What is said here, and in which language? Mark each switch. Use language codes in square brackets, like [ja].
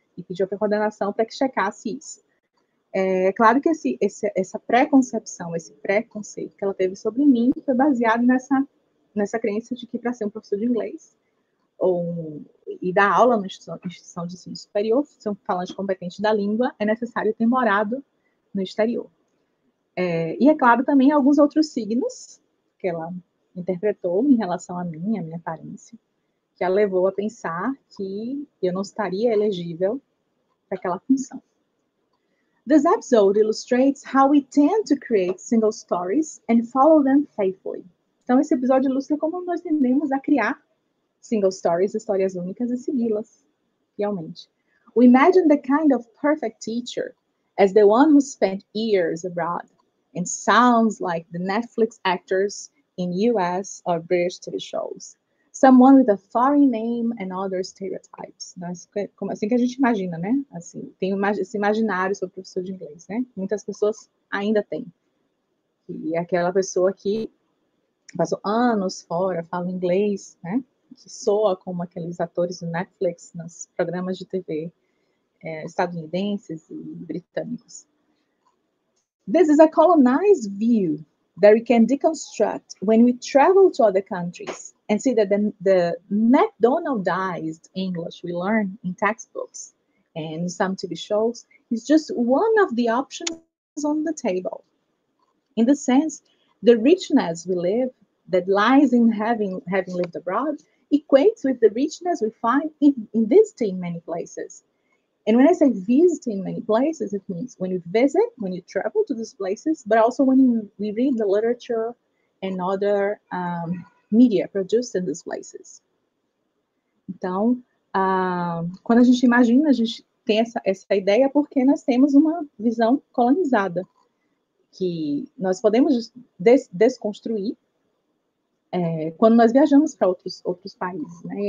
[pt] E pediu para a coordenação para que checasse isso. É claro que essa pré-concepção, esse pré-conceito que ela teve sobre mim foi baseado nessa crença de que para ser um professor de inglês e dar aula na instituição de ensino superior, ser um falante competente da língua, é necessário ter morado no exterior. E é claro também alguns outros signos que ela interpretou em relação a mim, a minha aparência, que a levou a pensar que eu não estaria elegível para aquela função. [en] This episode illustrates how we tend to create single stories and follow them faithfully. [pt] Então, esse episódio ilustra como nós tendemos a criar [en] single stories, [pt] histórias únicas, e segui-las fielmente. [en] We imagine the kind of perfect teacher as the one who spent years abroad and sounds like the Netflix actors in US or British TV shows. Someone with a foreign name and other stereotypes. [pt] Então, assim que a gente imagina, né? Assim, tem esse imaginário sobre o professor de inglês, né? Muitas pessoas ainda têm. E aquela pessoa que passou anos fora, fala inglês, né? Que soa como aqueles atores do Netflix nos programas de TV estadunidenses e britânicos. [en] This is a colonized view that we can deconstruct when we travel to other countries and see that the McDonaldized English we learn in textbooks and some TV shows is just one of the options on the table. In the sense, the richness we live that lies in having lived abroad equates with the richness we find in visiting many places. And when I say visiting many places, it means when you visit, when you travel to these places, but also when we read the literature and other media produced in these places. [pt] Então, quando a gente imagina, a gente tem essa ideia porque nós temos uma visão colonizada, que nós podemos desconstruir quando nós viajamos para outros países. Né?